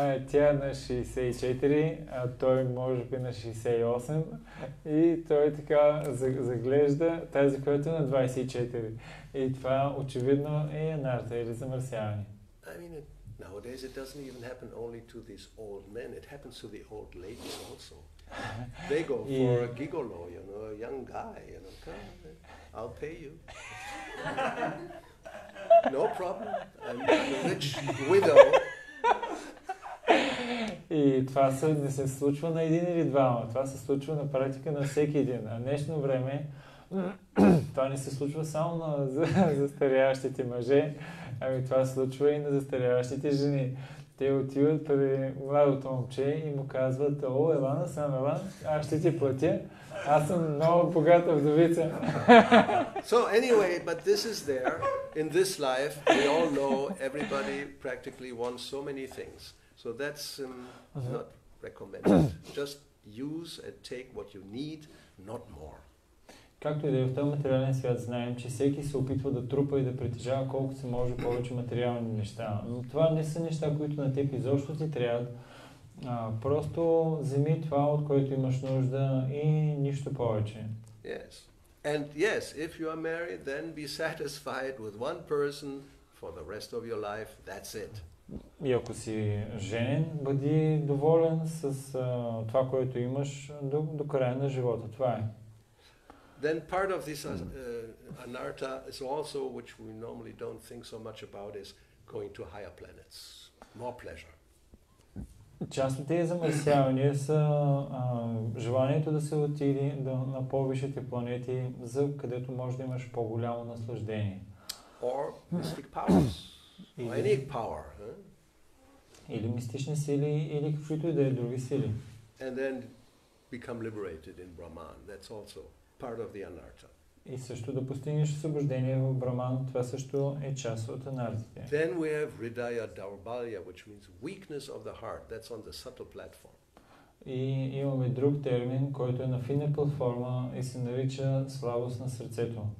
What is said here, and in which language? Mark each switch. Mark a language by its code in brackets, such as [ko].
[bg] Тя е на 64, а той може би на 68 и той така заглежда тази, която е на 24. И това очевидно е анарта или замърсяване. [en] I mean, nowadays it doesn't even happen only to these old men, it happens to the old ladies also. They go for a gigolo, you know, a young guy, you know, come, I'll pay you. No problem, I'm a rich widow. [bg] И това се не се случва на един или двама, това се случва на практика на всеки един. А днешно време Това не се случва само на застаряващите мъже, ами това се случва и на застаряващите жени. Те отиват при младото момче и му казват: о, Елана, съм Елан, аз ще ти платя. Аз съм много богата вдовица. [en] So anyway, but this is there, in this life, we all know everybody practically wants so many things. So that's not recommended. Just use and take what you need, not more. [bg] Както и да е в този материален свят, знаем, че всеки се опитва да трупа и да притежава колкото се може повече материални неща. Но това не са неща, които на теб изобщо ти трябват. Просто вземи това, от което имаш нужда и нищо повече. [en] Yes. And yes, if you are married, then be satisfied with one person for the rest of your life. That's it. [bg] И ако си женен, бъди доволен с това, което имаш до края на живота. Това е. [en] Then part of this anarta is also, which we normally don't think so much about, is going to higher planets, more pleasure. [bg] Част от тези замърсявания са желанието да се отиде на по-висшите планети, за където може да имаш по-голямо наслаждение. [en] Or mystic powers, or any power. [bg] Или мистични сили, или каквито и да е други сили. [en] And then become liberated in Brahman, that's also part of the anarta. [bg] И също да постигнеш освобождение в Браман, това също е част от анартите. [en] Then we have Hridaya Daurbalya, which means weakness of the heart. That's on the subtle platform. [bg] И имаме друг термин, който е на фина платформа и се нарича слабост на сърцето.